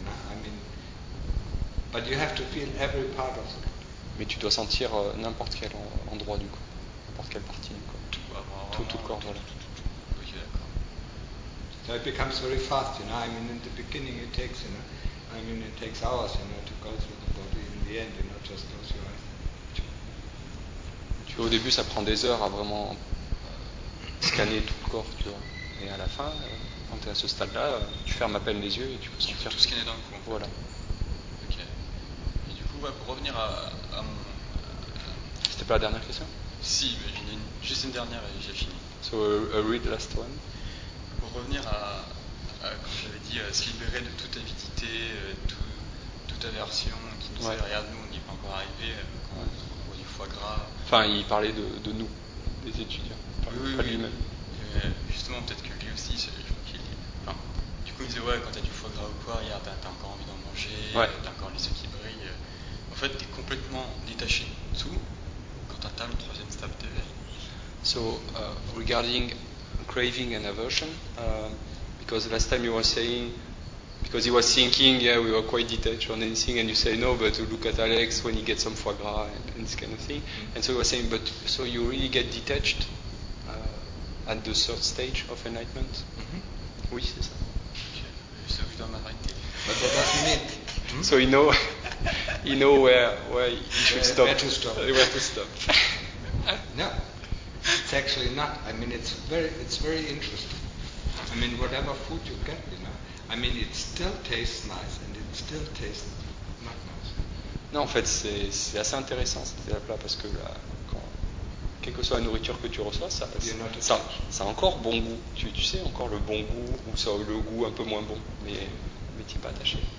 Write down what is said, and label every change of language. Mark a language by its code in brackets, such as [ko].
[en] I mean, but you have to feel every part of it. [fr] Mais tu dois sentir n'importe quel endroit du corps, n'importe quelle partie du corps. Tout le corps, voilà. [en] So it becomes very fast, you know. I mean, in the beginning, it takes, you know. I mean, it takes hours, you know, to go through the body. In the end, you know, just close your eyes. [fr] Au début, ça prend des heures à vraiment scanner tout le corps, tu vois. Et à la fin, quand tu es à ce stade-là, tu fermes à peine les yeux et tu peux sentir. Tu peux tout scanner d'un coup. Voilà. Ok. Et du coup, ouais, pour revenir à mon. C'était pas la dernière question? Si, mais j'ai juste une dernière et j'ai fini. [en] So, a read last one. [fr] Pour revenir à. Comme j'avais dit, se libérer de toute avidité, toute aversion qui nous est derrière nous, on n'y est pas encore arrivé, on voit du foie gras. Enfin, il parlait de nous, des étudiants, pas lui-même. Justement, peut-être que lui aussi, je crois qu'il. Enfin, du coup, il disait, ouais, quand t'as du foie gras ou quoi, regarde, t'as encore envie d'en manger, t'as encore les yeux qui brillent. En fait, t'es complètement détaché de tout quand t'atteins le troisième step de vie. [en] So, regarding craving and aversion, because last time you were saying, because he was thinking, yeah, we were quite detached on anything, and you say no, but look at Alex when he gets some foie gras and this kind of thing. And so he was saying, so you really get detached at the third stage of enlightenment? Mm-hmm. [fr] Oui, c'est ça. [en] But what does he mean? So he know where he should stop. Where to stop. Where to stop. No, it's actually not. I mean, it's very interesting. I mean, whatever food you get, you know, I mean, it still tastes nice and it still tastes not nice. [fr] Non, en fait, c'est assez intéressant, cet étape-là, parce que là, quelle que soit la nourriture que tu reçois, ça a encore bon goût. Tu sais, encore le bon goût, ou ça a le goût un peu moins bon, mais tu n'es pas attaché.